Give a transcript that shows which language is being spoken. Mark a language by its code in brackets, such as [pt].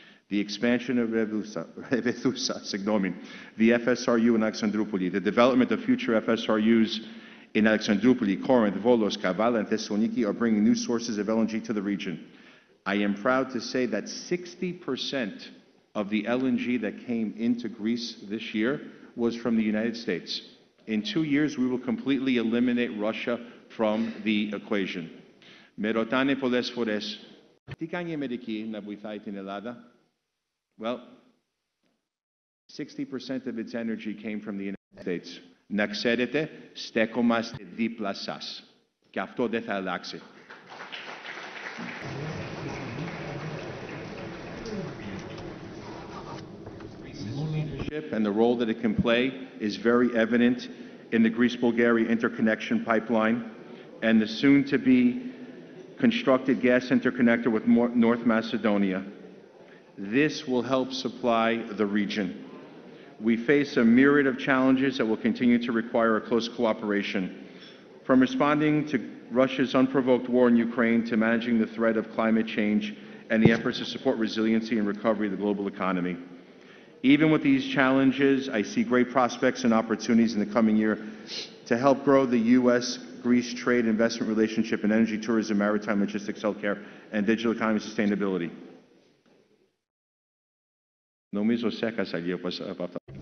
[en] The expansion of Revithoussa, Signomin, the FSRU in Alexandroupoli, the development of future FSRUs in Alexandroupoli, Corinth, Volos, Kavala, and Thessaloniki are bringing new sources of LNG to the region. I am proud to say that 60% of the LNG that came into Greece this year was from the United States. In 2 years, we will completely eliminate Russia from the equation. [el] Με ρωτάνε πολλές φορές, τι κάνει η Αμερική να βοηθάει την Ελλάδα? [en] Well, 60% of its energy came from the United States. [el] Να ξέρετε, στέκομαστε δίπλα σας. Και αυτό δεν θα αλλάξει. [en] And the role that it can play is very evident in the Greece-Bulgaria interconnection pipeline and the soon-to-be constructed gas interconnector with North Macedonia. This will help supply the region. We face a myriad of challenges that will continue to require a close cooperation, from responding to Russia's unprovoked war in Ukraine to managing the threat of climate change and the efforts to support resiliency and recovery of the global economy. Even with these challenges, I see great prospects and opportunities in the coming year to help grow the U.S.-Greece trade investment relationship in energy, tourism, maritime, logistics, healthcare, and digital economy sustainability. [el] Νομίζω σε έκασα λίγο από αυτά.